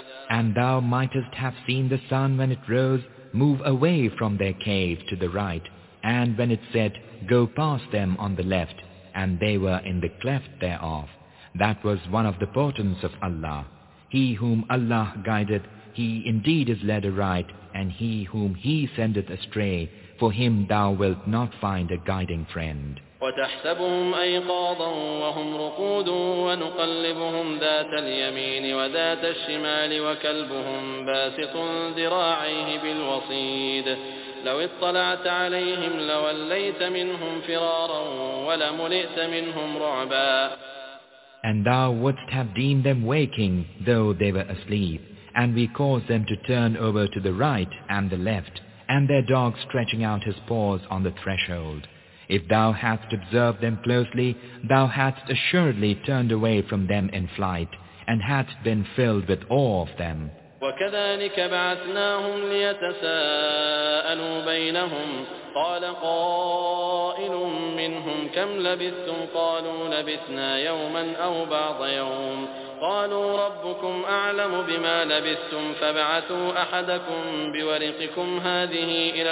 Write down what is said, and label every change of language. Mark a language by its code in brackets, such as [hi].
[en] And thou mightest have seen the sun when it rose move away from their cave to the right, and when it set, go past them on the left, and they were in the cleft thereof. That was one of the portents of Allah. He whom Allah guideth, he indeed is led aright, and he whom he sendeth astray, for him thou wilt not find a guiding friend. [ar] وتحسبهم أيقاظا وهم رقود ونقلبهم ذات اليمين وذات الشمال وكلبهم باسط ذراعيه بالوصيد لو اطلعت عليهم لوليت منهم فرارا ولملئت منهم رعبا [en] And thou wouldst have deemed them waking, though they were asleep, and we caused them to turn over to the right and the left, and their dog stretching out his paws on the threshold. If thou hadst observed them closely, thou hadst assuredly turned away from them in flight, and hadst been filled with awe of them. [ar] وكذلك بعثناهم ليتساءلوا بينهم قال قائل منهم كم لبثتم قالوا لبثنا يوما أو بعض يوم قالوا ربكم أعلم بما لبثتم فبعثوا أحدكم بورقكم هذه